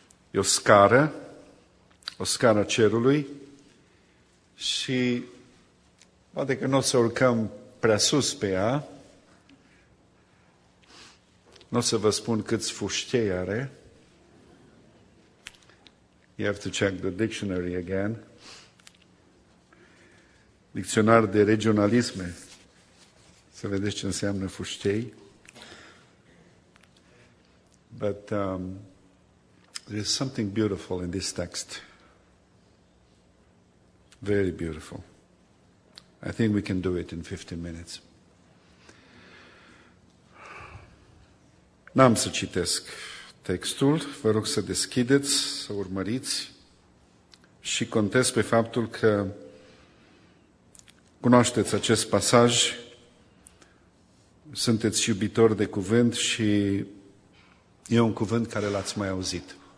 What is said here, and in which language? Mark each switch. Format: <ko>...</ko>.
<ro>E o scară cerului și poate că nu o să urcăm prea sus pe ea, nu o să vă spun câți fuștei are.</ro> <en>You have to check the dictionary again.</en> <ro>Dicționar de regionalisme, să vedeți ce înseamnă fuștei.</ro> <en>But there is something beautiful in this text. Very beautiful. I think we can do it in 15 minutes.</en> <ro>N-am să citesc textul, vă rog să deschideți, să urmăriți și contez pe faptul că cunoașteți acest pasaj, sunteți iubitori de cuvânt și e un cuvânt care l-ați mai auzit.</ro>